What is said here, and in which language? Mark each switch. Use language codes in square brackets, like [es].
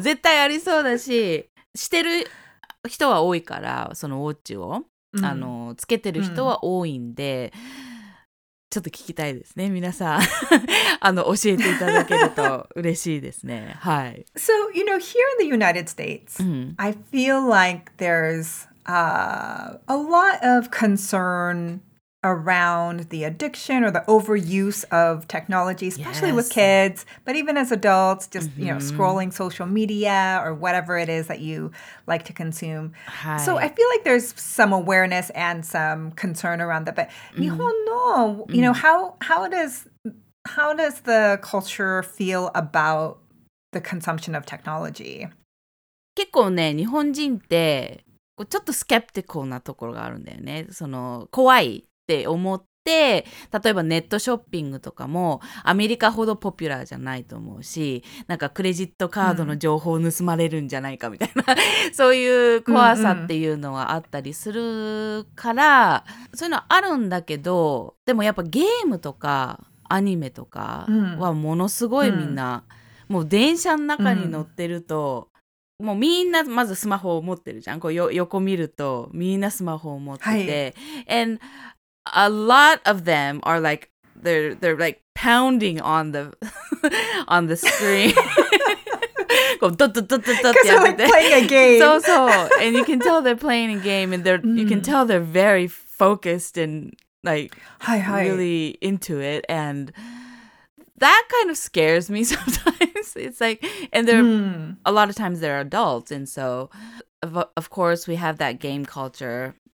[ja] 絶対ありそうだし、してる人は多いから、そのウォッチを、つけてる人は多いんで、ちょっと聞きたいですね。皆さん、教えていただけると嬉しいですね。はい。 [en] So, you know, here in the United States,、mm-hmm. I feel like there's a lot of concern around the addiction or the overuse of technology, especially、yes. with kids, but even as adults, just,、mm-hmm. you know, scrolling social media or whatever it is that you like to consume.、 [ja] はい、 [en] so I feel like there's some awareness and some concern around that. But、mm-hmm. [ja] 日本の, [en] you know,、mm-hmm. how does the culture feel about the consumption of technology? [ja] 結構ね、日本人ってちょっとスケプティカルなところがあるんだよね。その怖い。って思って、例えばネットショッピングとかもアメリカほどポピュラーじゃないと思うし、なんかクレジットカードの情報を盗まれるんじゃないかみたいな、うん、そういう怖さっていうのはあったりするから、うんうん、そういうのあるんだけど、でもやっぱゲームとかアニメとかはものすごいみんな、うん、もう電車の中に乗ってると、うんもうみんなまずスマホを持ってるじゃん。こう横見るとみんなスマホを持ってて、はい、 [en] and a lot of them are like they're like pounding on the on the screen. [ja] こうドッドッドッドッドッってやってて、 [en] like、playing a game. [ja] そうそう。 [en] and you can tell they're playing a game and they're、mm. you can tell they're very focused and like [ja] はい、はい、 [en] really into it and that kind of scares me sometimes. It's like, and there,、mm. a lot of times they're adults. And so, of course, we have that game culture.、